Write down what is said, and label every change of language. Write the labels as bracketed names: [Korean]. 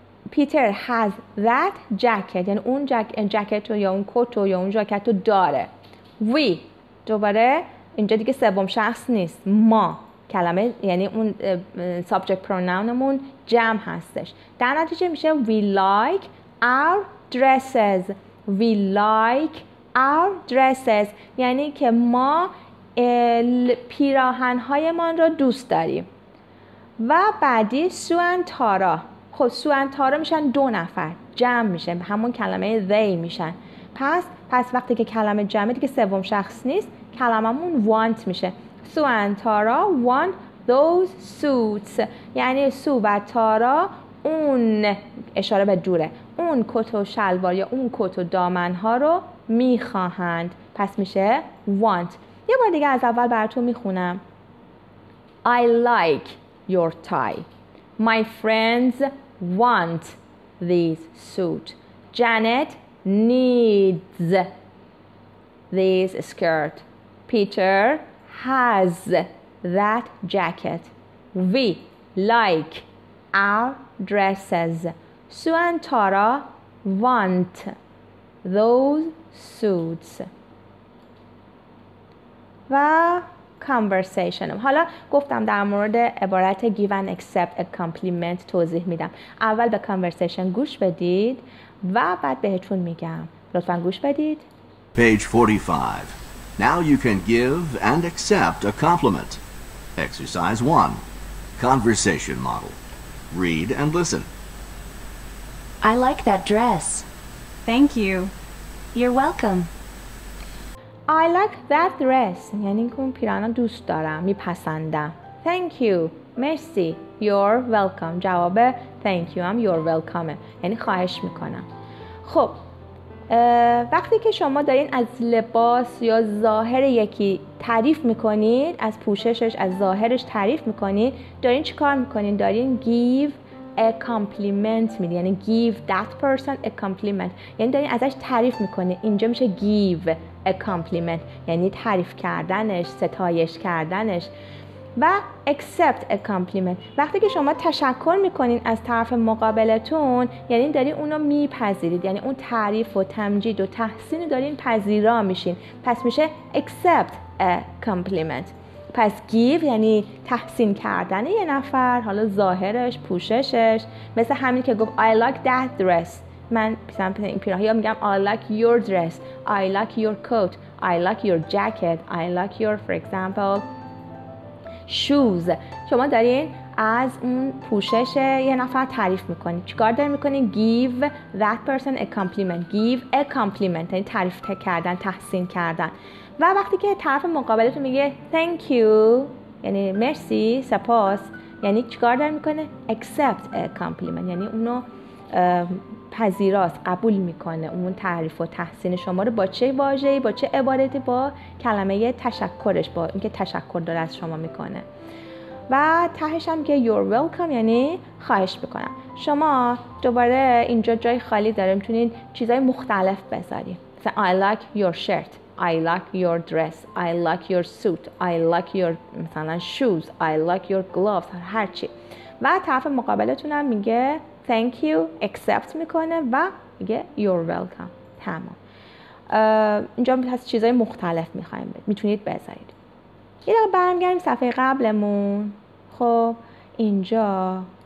[Persian] پیتر has that jacket، یعنی اون جاکت رو یا اون کت رو یا اون جاکت رو داره. we دوباره اینجا دیگه سوم شخص نیست، ما کلمه، یعنی اون subject pronounمون جمع هستش. [English] در نتیجه میشه we like our dresses. [Persian] we like our dresses یعنی که ما پیراهن‌های من رو دوست داریم. و بعدی سو و تارا. خب سو و تارا میشن دو نفر، جمع میشه همون کلمه they میشن. پس وقتی که کلمه جمعه دیگه سوم شخص نیست، کلممون want میشه. [English] Sue و Tara want those suits. [Persian] یعنی سو و تارا اون، اشاره به دوره، اون کت و شلوار یا اون کت و دامنها رو میخواهند. پس میشه want. یه بار دیگه از اول براتون میخونم. [English] I like your tie. My friends want this suit. Janet needs this skirt. Peter has that jacket. We like our dresses. Sue and Tara want those suits. [Persian] و conversation. حالا گفتم در مورد عبارت give and accept a compliment توضیح میدم. اول به conversation گوش بدید و بعد بهتون میگم. لطفا گوش بدید. [English] Page 45. Now you can give and accept a compliment. Exercise 1. Conversation model. Read and listen. I like that dress. Thank you. You're welcome. I like that dress. [Persian] یعنی که اون پیراهن دوست دارم، میپسندم. [English] Thank you. مرسی. You're welcome. جواب thank you هم you're welcome. [Persian] یعنی خواهش میکنم. خب وقتی که شما دارین از لباس یا ظاهر یکی تعریف میکنید، از پوششش، از ظاهرش تعریف میکنید، دارین چی کار میکنین؟ دارین give a compliment میدین. [English] یعنی give that person a compliment. [Persian] یعنی دارین ازش تعریف میکنید. اینجا میشه give a compliment، یعنی تعریف کردنش، ستایش کردنش. و accept a compliment، وقتی که شما تشکر میکنین از طرف مقابلتون، یعنی داری اونو میپذیرید، یعنی اون تعریف و تمجید و تحسین رو دارین پذیرا میشین. پس میشه accept a compliment. پس give یعنی تحسین کردن یه نفر، حالا ظاهرش، پوششش، مثل همین که گفت I like that dress. [English] من مثلا این پیراهن، یا میگم I like your dress, I like your coat, I like your jacket, I like your for example shoes. [Persian] شما دارین از اون پوشش یه نفر تعریف میکنین. [English] چیکار دارین میکنین؟ give that person a compliment. [Persian] give a compliment یعنی تعریف کردن، تحسین کردن. و وقتی که طرف مقابلتون میگه thank you یعنی مرسی، سپاس، یعنی چیکار دارین میکنه؟ accept a compliment، یعنی اونو پذیراست، قبول میکنه اون تعریف و تحسین شما رو. با چه واژه‌ای، با چه عبارتی؟ با کلمه تشکرش، با اینکه تشکر داره از شما میکنه. و تهش هم که you're welcome یعنی خواهش میکنم. شما دوباره اینجا جای خالی داره، میتونین چیزای مختلف بذارید. [English] مثلا I like your shirt, I like your dress, I like your suit, I like your مثلا shoes, I like your gloves، هر چی. [Persian] و طرف مقابلتون هم میگه thank you، accept میکنه و میگه you're welcome. تمام. اینجا پس چیزای مختلف میخواییم میتونید بذارید. یه دقیقه برمیگردیم صفحه قبلمون. خب اینجا